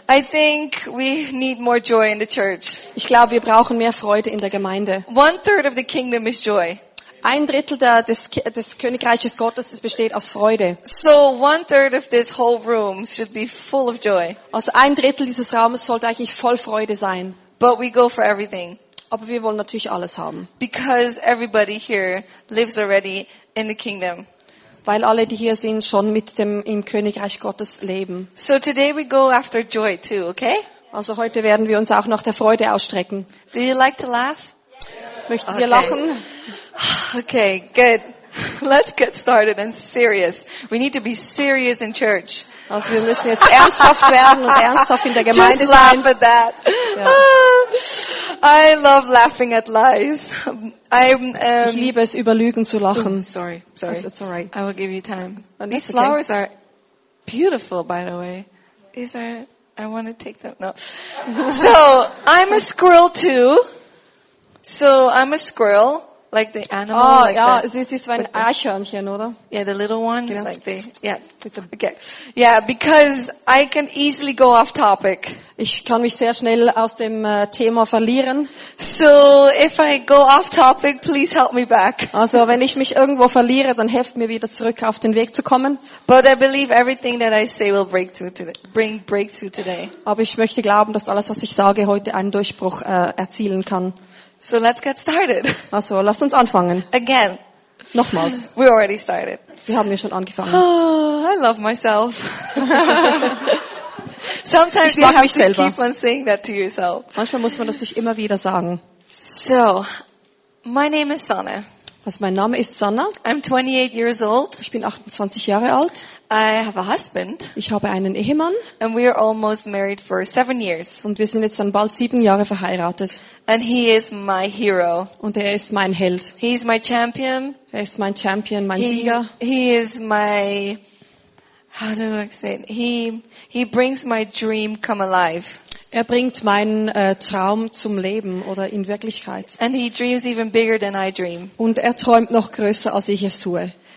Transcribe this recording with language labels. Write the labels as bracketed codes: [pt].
[en] I think we need more joy in the church. [de] Ich glaube, wir brauchen mehr Freude in der Gemeinde. [en] One third of the kingdom is joy. [de] Ein Drittel des Königreiches Gottes besteht aus Freude. [en] So one third of this whole room should be full of joy. [de] Also ein Drittel dieses Raumes sollte eigentlich voll Freude sein. [en] But we go for everything. [de] Aber wir wollen natürlich alles haben. [en] Because everybody here lives already in the kingdom. [de] Weil alle, die hier sind, schon mit dem im Königreich Gottes leben. [en] So today we go after joy too, okay? [de] Also heute werden wir uns auch nach der Freude ausstrecken. [en] Do you like to laugh? [de] Möchtet ihr lachen? [en] Okay, good. Let's get started and serious. We need to be serious in church. [de] Also wir müssen jetzt ernsthaft werden und ernsthaft in der Gemeinde sein. [en] Just laugh at that. Ja. I love laughing at lies. [de] Ich liebe es, über Lügen zu lachen. [en] Ooh, sorry. It's all right. I will give you time. Oh, these flowers okay. Are beautiful, by the way. These are. I want to take them. No. So I'm a squirrel too. So I'm a squirrel. Like the animal. Oh, like [de] ja, [en] this is [de] ein Eichhörnchen, oder? [en] Yeah, the little ones. Genau. Like they, yeah. Okay. Yeah, because I can easily go off topic. [de] Ich kann mich sehr schnell aus dem Thema verlieren. [en] So, if I go off topic, please help me back. [de] Also, wenn ich mich irgendwo verliere, dann helft mir wieder zurück auf den Weg zu kommen. [en] But I believe everything that I say will bring breakthrough today. [de] Aber ich möchte glauben, dass alles, was ich sage, heute einen Durchbruch erzielen kann. [en] So let's get started. [de] Also, lass uns anfangen. [en] Again. [de] Nochmals. [en] We already started. [de] Wir haben ja schon angefangen. [en] Oh, I love myself. Sometimes [de] ich mag [en] you have [de] mich selber. [en] To keep on saying that to yourself. [de] Manchmal muss man das sich immer wieder sagen. [en] So, my name is Sanne. [de] Also, mein Name ist Sanne. [en] I'm 28 years old. [de] Ich bin 28 Jahre alt. [en] I have a husband. [de] Ich habe einen Ehemann. [en] And we are almost married for 7 years. [de] Und wir sind jetzt dann bald 7 Jahre verheiratet. [en] And he is my hero. [de] Und er ist mein Held. [en] He is my champion. [de] Er ist mein Champion, mein Sieger. [en] He is my, how do I say it? He brings my dream come alive. [de] Er bringt meinen Traum zum Leben oder in Wirklichkeit. [en] And he dreams even bigger than I dream. [de] Und er träumt noch größer, als ich es tue.